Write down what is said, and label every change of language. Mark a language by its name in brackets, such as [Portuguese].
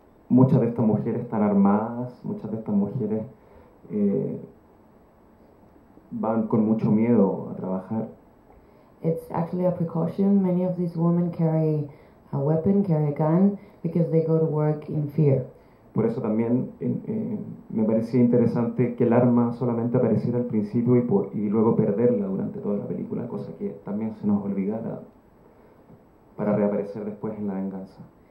[Spanish] Muchas de estas mujeres están armadas, muchas de estas mujeres van con mucho miedo a trabajar. [English] It's actually a precaution. Many of these women carry a weapon, carry a gun, because they go to work in fear. [Spanish] Por eso también me parecía interesante que el arma solamente apareciera al principio y luego perderla durante toda la película, cosa que también se nos olvidara para reaparecer después en la venganza.